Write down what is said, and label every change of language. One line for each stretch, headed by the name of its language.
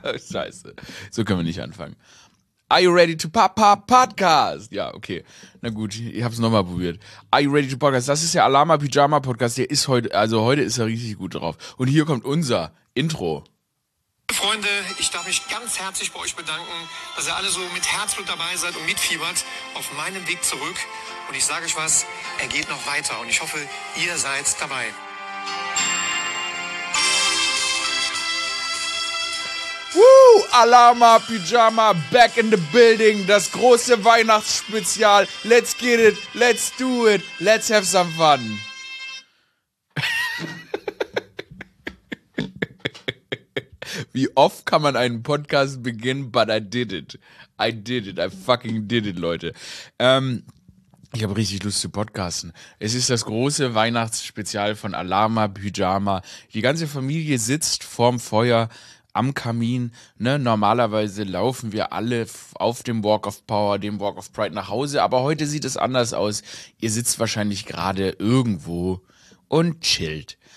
German: Scheiße, so können wir nicht anfangen.
English: Are you ready to pop podcast?
German: Ja, okay. Na gut, ich habe es nochmal probiert.
English: Are you ready to podcast?
German: Das ist der Alama Pyjama Podcast. Der ist heute, also heute ist er richtig gut drauf. Und hier kommt unser Intro. Freunde, ich darf mich ganz herzlich bei euch bedanken, dass ihr alle so mit Herzblut dabei seid und mitfiebert auf meinem Weg zurück. Und ich sage euch was, er geht noch weiter und ich hoffe, ihr seid dabei.
English: Woo, Alama Pyjama back in the building,
German: das große Weihnachtsspezial.
English: Let's get it, let's do it, let's have some fun.
German: Wie oft kann man einen Podcast beginnen,
English: but I did it. I did it. I fucking did it, Leute.
German: Ich habe richtig Lust zu podcasten. Es ist das große Weihnachtsspezial von Alama Pyjama. Die ganze Familie sitzt vorm Feuer am Kamin. Ne? Normalerweise laufen wir alle auf dem Walk of Power, dem Walk of Pride nach Hause. Aber heute sieht es anders aus. Ihr sitzt wahrscheinlich gerade irgendwo und chillt.